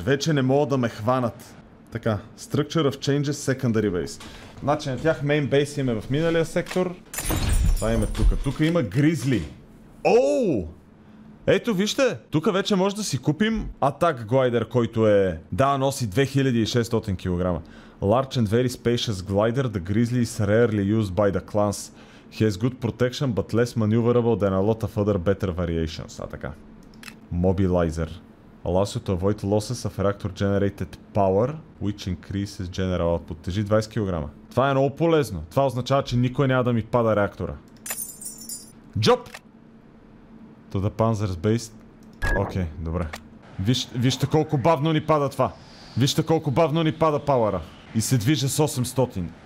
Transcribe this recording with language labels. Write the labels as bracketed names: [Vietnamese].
[Bulgarian] Вече не мога да ме хванат. Така, [English] Structure of Changes Secondary Base. [Bulgarian] Значи на тях Main Base имаме в миналия сектор. Това има тук. Тук има Grizzly. Оу! Ето вижте, тук вече може да си купим Attack Glider, който е... Да, носи 2600 кг. [English] Large and very spacious glider, the Grizzly is rarely used by the clans. He has good protection, but less maneuverable than a lot of other better variations. [Bulgarian] А така. Mobilizer. [English] Allows you to avoid losses of reactor generated power, which increases general output. [Bulgarian] Тежи 20 кг. Това е много полезно. Това означава, че никой няма да ми пада реактора. [English] Джоп! To the Panzer's base. [Bulgarian] Окей, добре. Вижте колко бавно ни пада това. Вижте колко бавно ни пада пауъра. И се движа с 800.